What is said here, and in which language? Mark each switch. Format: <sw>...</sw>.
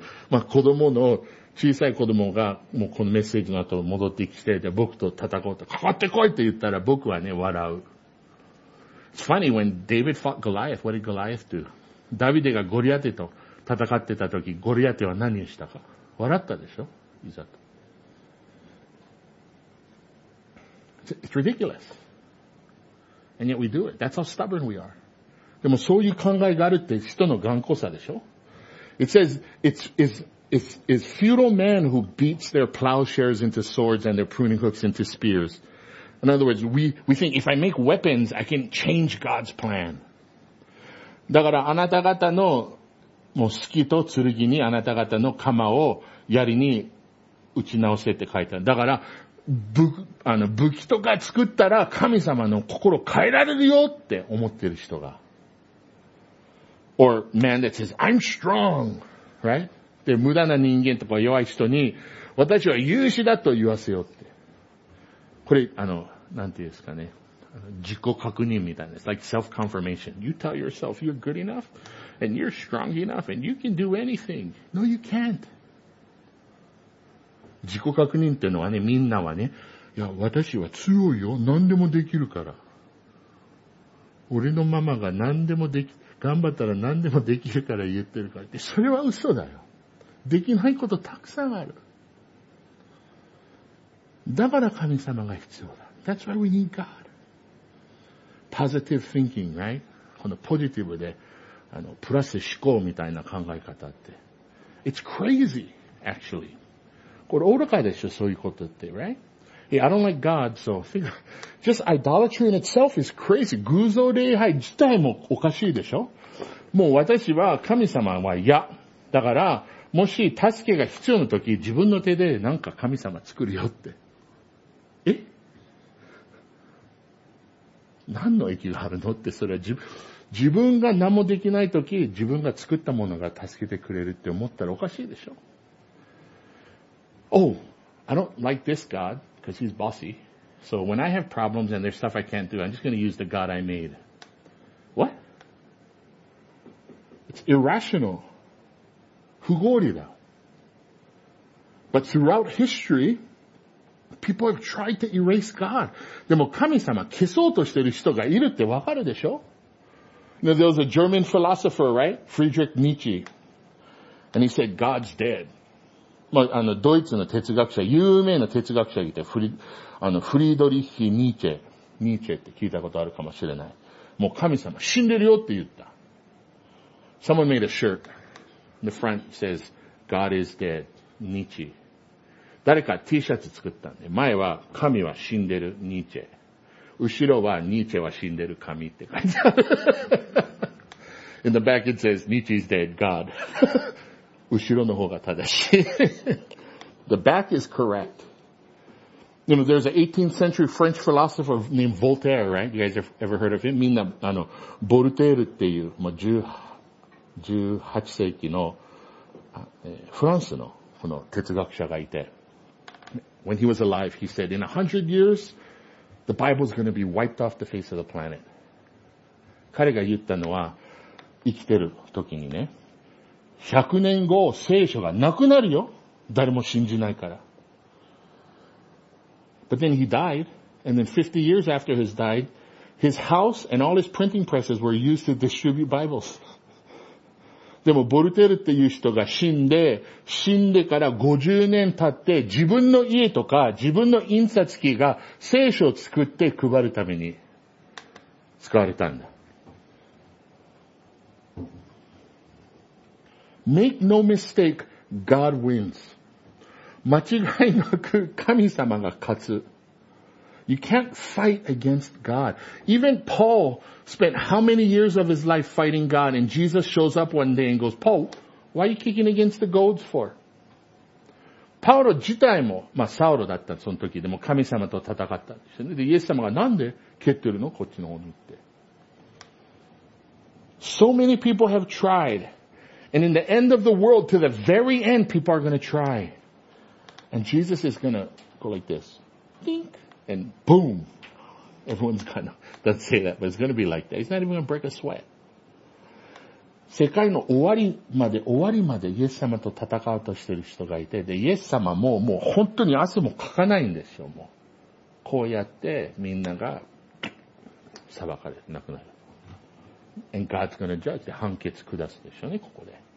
<ja>まあ子供の、小さい子供がもうこのメッセージの後戻ってきて、で僕と戦おうと、かかってこいって言ったら僕はね、笑う。</ja> <en>It's funny, when David fought Goliath, what did Goliath do?</en> <ja>ダビデがゴリアテと戦ってた時、ゴリアテは何をしたか。笑ったでしょ？いざと。</ja> <en>It's ridiculous. And yet we do it. That's how stubborn we are.</en> <ja>でもそういう考えがあるって人の頑固さでしょ？</ja> <en>It says, it's feudal man who beats their plowshares into swords and their pruning hooks into spears. In other words, we think if I make weapons, I can change God's plan.</en> <ja>だからあなた方のもう隙と剣にあなた方の鎌を槍に打ち直せって書いてある。だから、武器とか作ったら神様の心を変えられるよって思ってる人が。</ja> <en>Or man that says, I'm strong, right?</en> <ja>で、無駄な人間とか弱い人に、私は勇士だと言わせよって。これ、なんていうんですかね。自己確認みたいな。</ja> <en>It's like self-confirmation. You tell yourself you're good enough, and you're strong enough, and you can do anything. No, you can't.</en> <ja>自己確認っていうのはね、みんなはね、いや、私は強いよ。何でもできるから。俺のママが何でもでき、頑張ったら何でもできるから言ってるから。で、それは嘘だよ。できないことたくさんある。だから神様が必要だ。</ja> <en>That's why we need God. Positive thinking, right?</en> <ja>このポジティブで、プラス思考みたいな考え方って。</ja> <en>It's crazy, actually.</en> <ja>これ愚かでしょ、そういうことって、</ja> <en>right? Hey, I don't like God, so think, just idolatry in itself is crazy.</en> <ja>偶像礼拝自体もおかしいでしょ？もう私は神様は嫌。だから、もし助けが必要な時、自分の手でなんか神様作るよって。何の益があるのって、それは自分が何もできないとき、自分が作ったものが助けてくれるって思ったらおかしいでしょ。</ja> <en>Oh, I don't like this God, because he's bossy. So when I have problems and there's stuff I can't do, I'm just going to use the God I made. What? It's irrational.</en> <ja>不合理だ。</ja> <en>But throughout history,People have tried to erase God.</en> <ja>でも神様消そうとしてる人がいるってわかるでしょ</ja> <en>Now, there was a German philosopher, right? Friedrich Nietzsche. And he said, God's dead.</en> <ja>まあ、ドイツの哲学者、有名な哲学者がいて、フリードリッヒ・ニーチェ。ニーチェって聞いたことあるかもしれない。もう神様死んでるよって言った。</ja> <en>Someone made a shirt. The front says, God is dead.</en> <ja>ニーチェ。誰か T シャツ作ったんで、前は神は死んでるニーチェ。後ろはニーチェは死んでる神って書いてある。</ja> <en>In the back it says, Nietzsche is dead, God.</en> <ja>後ろの方が正しい。</ja> <en>The back is correct. You know, there's an 18th century French philosopher named Voltaire, right? You guys have ever heard of him?</en> <ja>みんな、ボルテールっていう、まあ、18世紀の、フランスの、この哲学者がいて。</ja> <en>When he was alive, he said, in 100 years, the Bible is going to be wiped off the face of the planet.</en> <ja>彼が言ったのは、生きてる時にね、100年後、聖書がなくなるよ。誰も信じないから。</ja> <en>But then he died, and then 50 years after his died, his house and all his printing presses were used to distribute Bibles.</en> <ja>でも、ボルテルっていう人が死んでから50年経って、自分の家とか、自分の印刷機が聖書を作って配るために使われたんだ。</ja> <en>Make no mistake, God wins.</en> <ja>間違いなく神様が勝つ。</ja> <en>You can't fight against God. Even Paul spent how many years of his life fighting God, and Jesus shows up one day and goes, Paul, why are you kicking against the goads for?</en> <ja>パウロ自体も、まあサウロだったその時でも神様と戦ったんですよね。で、イエス様がなんで蹴ってるのこっちの方に行って。</ja> <en>So many people have tried. And in the end of the world, to the very end, people are going to try. And Jesus is going to go like this. Dink. And boom, everyone's gonna, don't say that, but it's gonna be like that. He's not even gonna break a sweat.</en> <ja>世界の終わりまでイエス様と戦おうとしている人がいて、で、イエス様ももう本当に汗もかかないんですよ、もう。こうやってみんなが裁かれ、亡くなる。</ja> <en>And God's gonna judge,</en> <ja>判決下すでしょうね、ここで。</ja>